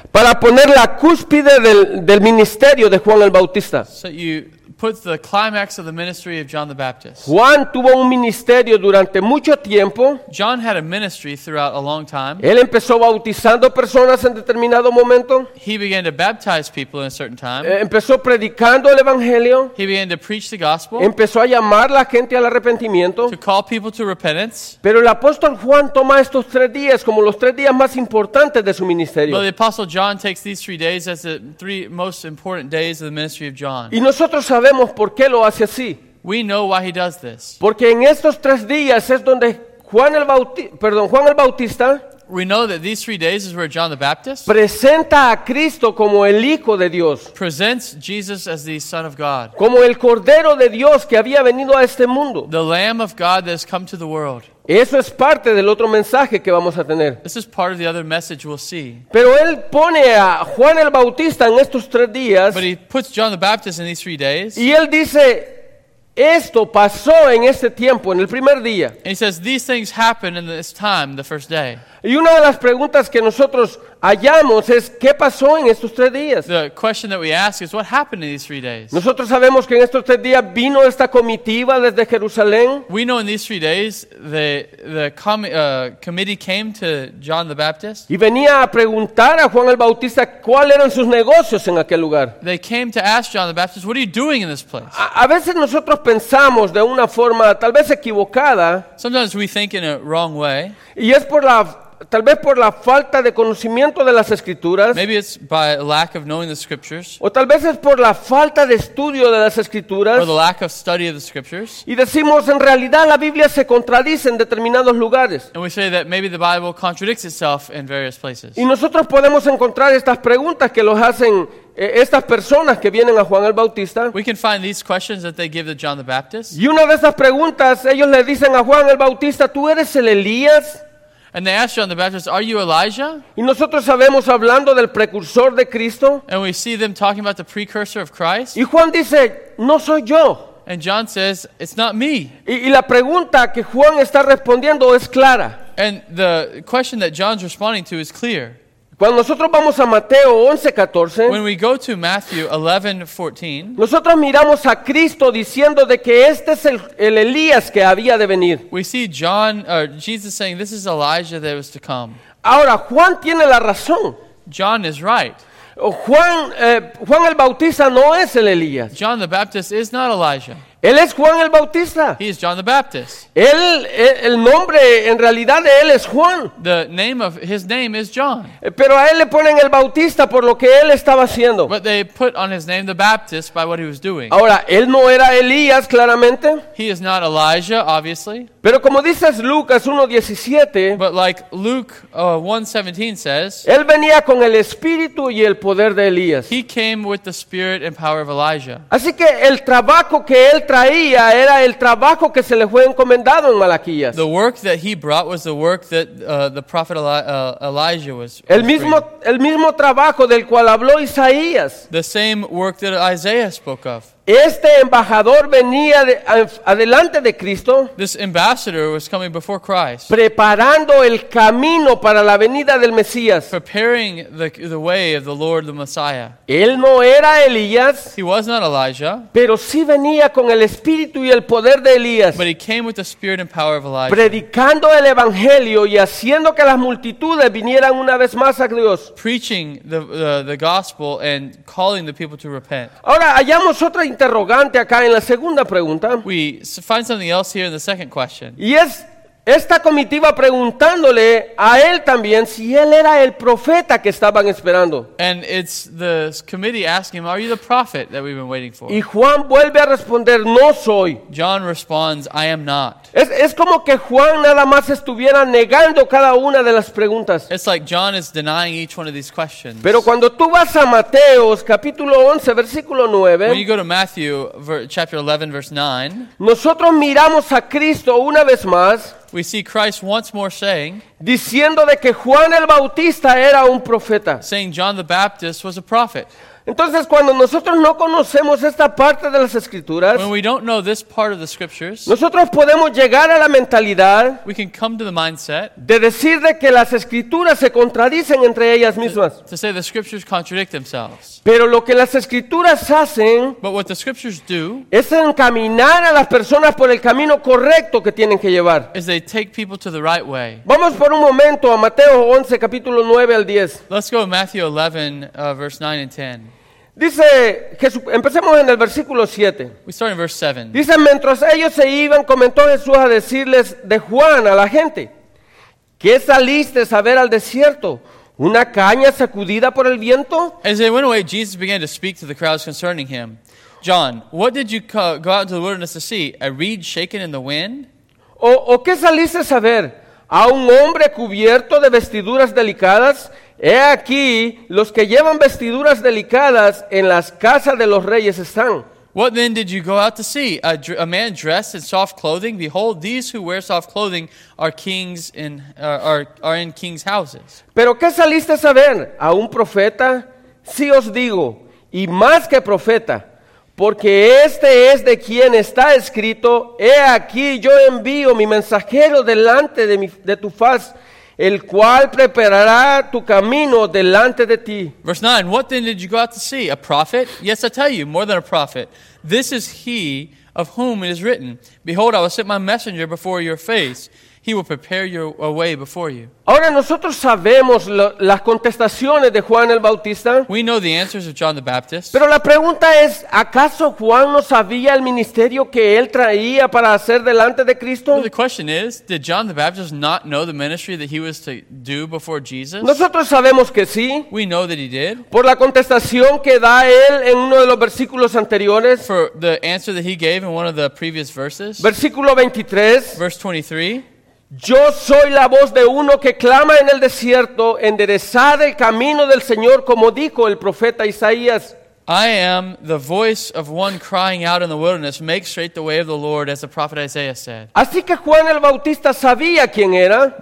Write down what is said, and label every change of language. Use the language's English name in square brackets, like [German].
[Spanish] Para poner la cúspide del ministerio de Juan el Bautista. [English] So you put the climax of the ministry of John the Baptist. [Spanish] Juan tuvo un ministerio durante mucho tiempo. [English] John had a ministry throughout a long time. [Spanish] Él empezó bautizando personas en determinado momento. [English] He began to baptize people in a certain time. [Spanish] Empezó predicando el evangelio. [English] He began to preach the gospel. [Spanish] Empezó a llamar la gente al arrepentimiento. [English] To call people to repentance. [Spanish] Pero el apóstol Juan toma estos 3 días como los 3 días más importantes de su ministerio. [English] But the apostle John takes these 3 days as the 3 most important days of the ministry of John. [Spanish] Y nosotros sabemos por qué lo hace así. [English] We know why he does this. [Spanish] Porque en estos 3 días es donde Juan el Bautista [English] we know that these 3 days is where John the Baptist [Spanish] presenta a Cristo como el Hijo de Dios. [English] Presents Jesus as the Son of God. [Spanish] Como el Cordero de Dios que había venido a este mundo. [English] The Lamb of God that has come to the world. [Spanish] Eso es parte del otro mensaje que vamos a tener. [English] This is part of the other message we'll see. [Spanish] Pero él pone a Juan el Bautista en estos 3 días. [English] But he puts John the Baptist in these 3 days. [Spanish] Y él dice, esto pasó en este tiempo, en el primer día. [English] And he says, these things happened in this time, the first day. [Spanish] Y una de las preguntas que nosotros hallamos es, ¿qué pasó en estos 3 días? [English] The question that we ask is, what happened in these 3 days? [Spanish] Nosotros sabemos que en estos 3 días vino esta comitiva desde Jerusalén. [English] We know in these 3 days, the committee came to John the Baptist. [Spanish] Y venía a preguntar a Juan el Bautista, ¿cuáles eran sus negocios en aquel lugar? [English] They came to ask John the Baptist, what are you doing in this place? [Spanish] A veces nosotros pensamos de una forma tal vez equivocada. [English] Sometimes we think in a wrong way. [Spanish] Y es por la tal vez por la falta de conocimiento de las escrituras. [English] Maybe it's by lack of knowing the scriptures. [Spanish] O tal vez es por la falta de estudio de las escrituras. [English] Or the lack of study of the scriptures. [Spanish] Y decimos, en realidad la Biblia se contradice en determinados lugares. [English] And we say that maybe the Bible contradicts itself in various places. [Spanish] Y nosotros podemos encontrar estas preguntas que los hacen estas personas que vienen a Juan el Bautista. [English] We can find these questions that they give to John the Baptist. [Spanish] Y una de esas preguntas, ellos le dicen a Juan el Bautista, ¿tú eres el Elías? [English] And they ask John the Baptist, are you Elijah? [Spanish] Y nosotros sabemos hablando del precursor de Cristo. [English] And we see them talking about the precursor of Christ. [Spanish] Y Juan dice, no soy yo. [English] And John says, it's not me. [Spanish] Y la pregunta que Juan está respondiendo es clara. [English] And the question that John's responding to is clear. [Spanish] Cuando nosotros vamos a Mateo 11:14, [English] when we go to Matthew 11:14, [Spanish] nosotros miramos a Cristo diciendo de que este es el Elías que había de venir. [English] We see John or Jesus saying this is Elijah that was to come. [Spanish] Ahora Juan tiene la razón. [English] John is right. [Spanish] Juan el Bautista no es el Elías. [English] John the Baptist is not Elijah. [Spanish] Él es Juan el Bautista. [English] He is John the Baptist. [Spanish] El nombre en realidad de él es Juan. [English] The name of his name is John. [Spanish] Pero a él le ponen el Bautista por lo que él estaba haciendo. [English] But they put on his name the Baptist by what he was doing. [Spanish] Ahora, él no era Elías claramente. [English] He is not Elijah, obviously. [Spanish] Pero como dice Lucas 1:17, [English] but like Luke 1:17 says, [Spanish] él venía con el espíritu y el poder de Elías. [English] He came with the spirit and power of Elijah. [Spanish] Así que el trabajo que él traía era el trabajo que se le fue encomendado en Malaquías. [English] The work that he brought was the work that the prophet Elijah was. [Spanish] El mismo trabajo del cual habló Isaías. [English] The same work that Isaiah spoke of. [Spanish] Este embajador venía adelante de Cristo. [English] This ambassador was coming before Christ. [Spanish] Preparando el camino para la venida del Mesías. [English] Preparing the way of the Lord, the Messiah. [Spanish] Él no era Elías. [English] He was not Elijah. [Spanish] Pero sí venía con el espíritu y el poder de Elías. [English] But he came with the spirit and power of Elijah. [Spanish] Predicando el evangelio y haciendo que las multitudes vinieran una vez más a Dios. [English] Preaching the gospel and calling the people to repent. [Spanish] Ahora hallamos otra interrogante acá en la segunda pregunta. [English] We find something else here in the second question. [Spanish] Y es esta comitiva preguntándole a él también si él era el profeta que estaban esperando. [English] And it's the committee asking him, are you the prophet that we've been waiting for? [Spanish] Y Juan vuelve a responder, no soy. [English] John responds, I am not. [Spanish] Es como que Juan nada más estuviera negando cada una de las preguntas. [English] It's like John is denying each one of these questions. [Spanish] Pero cuando tú vas a Mateo, capítulo 11, versículo 9, [English] when you go to Matthew, chapter 11, verse 9, [Spanish] nosotros miramos a Cristo una vez más. [English] We see Christ once more saying, [Spanish] diciendo de que Juan el Bautista era un profeta. [English] Saying John the Baptist was a prophet. [Spanish] Entonces, cuando nosotros no conocemos esta parte de las Escrituras, [English] when we don't know this part of the Scriptures, [Spanish] nosotros podemos llegar a la mentalidad, [English] we can come to the mindset, [Spanish] de decir de que las Escrituras se contradicen entre ellas mismas. [English] To say the Scriptures contradict themselves. [Spanish] Pero lo que las Escrituras hacen, [English] but what the Scriptures do, [Spanish] es encaminar a las personas por el camino correcto que tienen que llevar. [English] Is they take people to the right way. [Spanish] Vamos por un momento a Mateo 11, capítulo 9 al 10. [English] Let's go to Matthew 11, verse 9 and 10. [Spanish] Dice Jesús, empecemos en el versículo 7. [English] We start in verse 7. [Spanish] Dice, mientras ellos se iban, comenzó Jesús a decirles de Juan a la gente, ¿qué saliste a ver al desierto? ¿Una caña sacudida por el viento? [English] As they went away, Jesus began to speak to the crowds concerning him. John, what did you go out into the wilderness to see? A reed shaken in the wind? [Spanish] ¿O qué saliste a ver? ¿A un hombre cubierto de vestiduras delicadas? He aquí, los que llevan vestiduras delicadas en las casas de los reyes están. [English] What then did you go out to see? A man dressed in soft clothing? Behold, these who wear soft clothing are kings in are in kings' houses. [Spanish] ¿Pero qué saliste a ver? ¿A un profeta? Sí os digo, y más que profeta, porque este es de quien está escrito, he aquí yo envío mi mensajero delante de tu faz, el cual preparará tu camino delante de ti. [English] Verse 9, what then did you go out to see? A prophet? Yes, I tell you, more than a prophet. This is he of whom it is written, behold, I will set my messenger before your face. He will prepare a way before you. [Spanish] Ahora nosotros sabemos las contestaciones de Juan el Bautista. [English] We know the answers of John the Baptist. [Spanish] Pero la pregunta es, ¿acaso Juan no sabía el ministerio que él traía para hacer delante de Cristo? [English] But the question is, did John the Baptist not know the ministry that he was to do before Jesus? [Spanish] Nosotros sabemos que sí. [English] We know that he did. [Spanish] Por la contestación que da él en uno de los versículos anteriores. [English] For the answer that he gave in one of the previous verses. [Spanish] Versículo 23. [English] Verse 23. [Spanish] Yo soy la voz de uno que clama en el desierto, enderezad el camino del Señor, como dijo el profeta Isaías. [English] I am the voice of one crying out in the wilderness, make straight the way of the Lord, as the prophet Isaiah said. [Spanish] Así que Juan el Bautista sabía quién era.